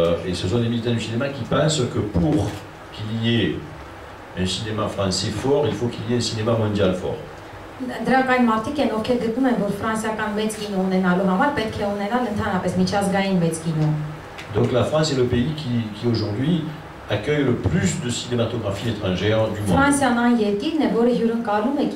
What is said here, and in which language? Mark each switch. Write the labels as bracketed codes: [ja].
[fr] Et ce sont des militants du cinéma qui pensent que pour qu'il y ait un cinéma français fort, il faut qu'il y ait un cinéma mondial fort. [hy] Դրանք այն մարդիկ են, ովքեր գտնում են, որ ֆրանսիական մեծ կինո ունենալու համար պետք է ունենալ ընդհանրապես միջազգային մեծ կինո։ [fr] Donc la France est le pays qui aujourd'hui accueille le plus de cinématographie étrangère du monde.